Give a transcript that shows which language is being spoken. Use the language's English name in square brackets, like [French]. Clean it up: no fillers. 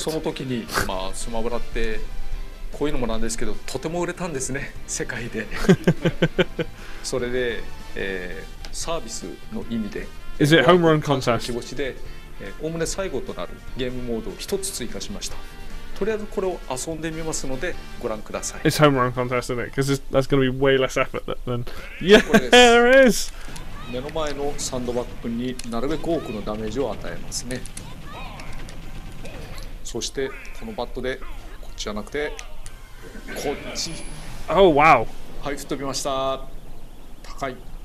[Japanese] その時に、まあスマブラってこういうのもなんですけど、とても売れたんですね、世界で。それで、サービスの意味で、 [English] Is it home run contest? [Japanese] 気持ちで、おおむね最後となるゲームモードを一つ追加しました。とりあえずこれを遊んでみますのでご覧ください。 [English] It's home run contest, isn't it? Because that's going to be way less effort than. Yeah, there is. [Japanese] 目の前のサンドバッグになるべく多くのダメージを与えますね。そしてこのバットでこっちじゃなくてこっち。 [English] Oh wow! [Japanese] はい、吹っ飛びました。高い。